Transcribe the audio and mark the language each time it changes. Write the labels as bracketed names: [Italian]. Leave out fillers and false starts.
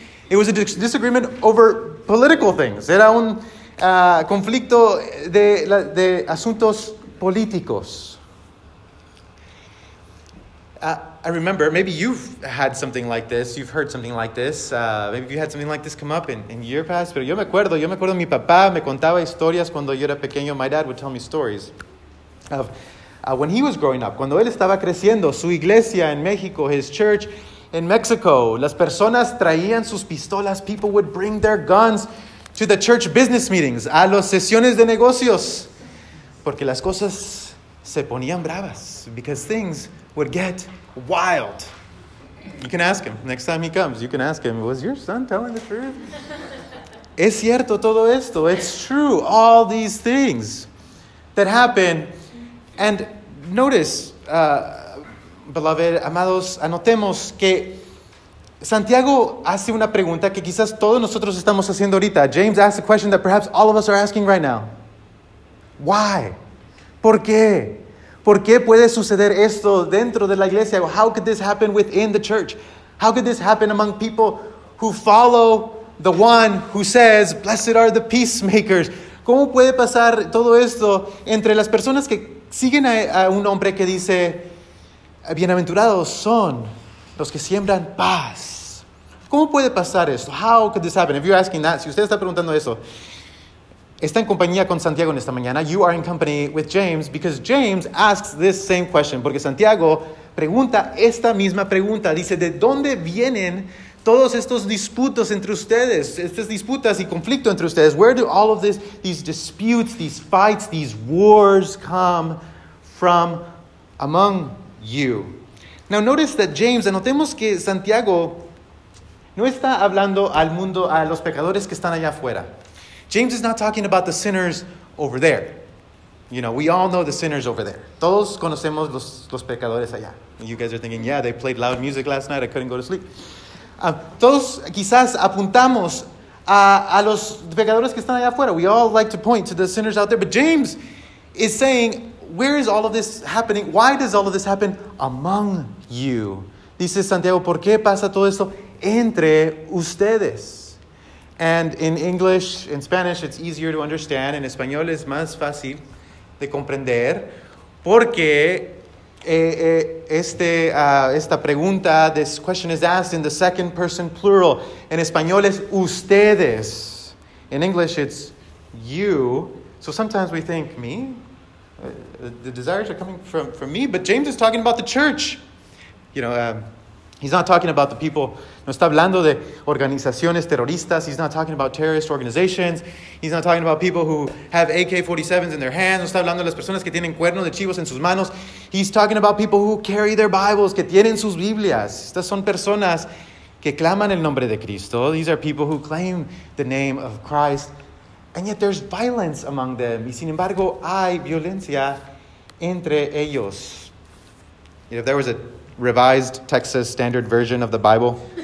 [English] It was a disagreement over political things. [Spanish] Era un conflicto de asuntos políticos. [English] I remember, maybe you've had something like this. You've heard something like this. Maybe you had something like this come up in your past. [Spanish] Pero yo me acuerdo mi papá me contaba historias cuando yo era pequeño. [English] My dad would tell me stories of when he was growing up, [Spanish] cuando él estaba creciendo, su iglesia en México, [English] his church in Mexico, [Spanish] las personas traían sus pistolas. [English] People would bring their guns to the church business meetings, [Spanish] a las sesiones de negocios, porque las cosas se ponían bravas, [English] because things would get wild. You can ask him next time he comes. You can ask him, was your son telling the truth? [Spanish] Es cierto todo esto. [English] It's true. All these things that happen. And notice, beloved, [Spanish] amados, anotemos que Santiago hace una pregunta que quizás todos nosotros estamos haciendo ahorita. [English] James asks a question that perhaps all of us are asking right now. Why? [Spanish] ¿Por qué? ¿Por qué puede suceder esto dentro de la iglesia? [English] How could this happen within the church? How could this happen among people who follow the one who says, blessed are the peacemakers? [Spanish] ¿Cómo puede pasar todo esto entre las personas que siguen a un hombre que dice, bienaventurados son los que siembran paz? ¿Cómo puede pasar esto? [English] How could this happen? If you're asking that, [Spanish] si usted está preguntando eso, está en compañía con Santiago en esta mañana. [English] You are in company with James because James asks this same question. [Spanish] Porque Santiago pregunta esta misma pregunta. Dice, ¿de dónde vienen todos estos disputos entre ustedes? Estas disputas y conflicto entre ustedes. [English] Where do all of this, these disputes, these fights, these wars come from among you? Now notice that James, [Spanish] anotemos que Santiago no está hablando al mundo, a los pecadores que están allá afuera. [English] James is not talking about the sinners over there. You know, we all know the sinners over there. [Spanish] Todos conocemos los pecadores allá. [English] You guys are thinking, yeah, they played loud music last night. I couldn't go to sleep. [Spanish] Todos quizás apuntamos a los pecadores que están allá afuera. [English] We all like to point to the sinners out there. But James is saying, where is all of this happening? Why does all of this happen among you? [Spanish] Dice Santiago, ¿por qué pasa todo esto entre ustedes? [English] And in English, in Spanish, it's easier to understand. [Spanish] En español es más fácil de comprender. Porque esta pregunta, [English] this question is asked in the second person plural. [Spanish] En español es ustedes. [English] In English, it's you. So sometimes we think, me? The desires are coming from me? But James is talking about the church. You know, he's not talking about the people. [Spanish] No está hablando de organizaciones terroristas. [English] He's not talking about terrorist organizations. He's not talking about people who have AK-47s in their hands. [Spanish] No está hablando de las personas que tienen cuernos de chivos en sus manos. [English] He's talking about people who carry their Bibles, [Spanish] que tienen sus Biblias. Estas son personas que claman el nombre de Cristo. [English] These are people who claim the name of Christ. And yet there's violence among them. [Spanish] Y sin embargo, hay violencia entre ellos. [English] You know, if there was a Revised Texas Standard Version of the Bible.